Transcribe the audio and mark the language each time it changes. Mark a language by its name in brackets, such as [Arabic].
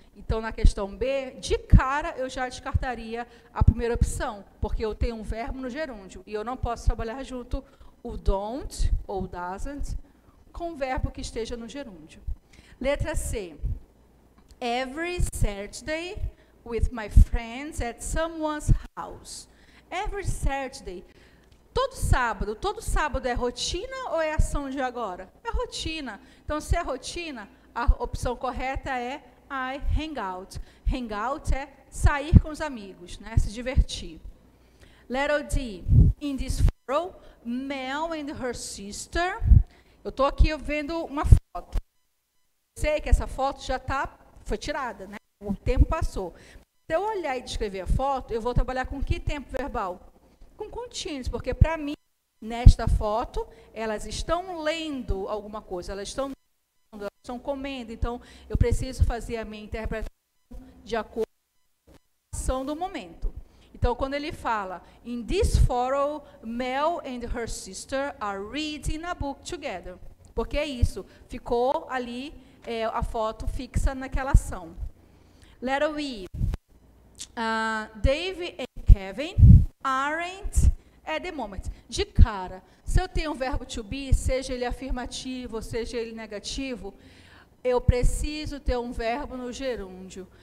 [Portuguese] Então, na questão B, de cara, eu já descartaria a primeira opção, porque eu tenho um verbo no gerúndio, e eu não posso trabalhar junto o don't ou doesn't com o verbo que esteja no gerúndio. Letra C. [English] Every Saturday with my friends at someone's house. Every Saturday. [Portuguese] Todo sábado é rotina ou é ação de agora? É rotina. Então, se é rotina, a opção correta é [English] I hang out. [Portuguese] Hang out é sair com os amigos, né? Se divertir. [English] Letter D. In this photo, Mel and her sister. [Portuguese] Eu estou aqui vendo uma foto. Sei que essa foto já tá, foi tirada, né? O tempo passou. Se eu olhar e descrever a foto, eu vou trabalhar com que tempo verbal? Com contínuos, porque para mim, nesta foto, elas estão lendo alguma coisa, elas estão comendo, então eu preciso fazer a minha interpretação de acordo com a ação do momento. Então, quando ele fala, [English] in this photo, Mel and her sister are reading a book together. [Portuguese] Porque é isso, ficou ali a foto fixa naquela ação. [English] Letter E. Dave and Kevin aren't at the moment. [Portuguese] De cara, se eu tenho um verbo to be, seja ele afirmativo, seja ele negativo, eu preciso ter um verbo no gerúndio.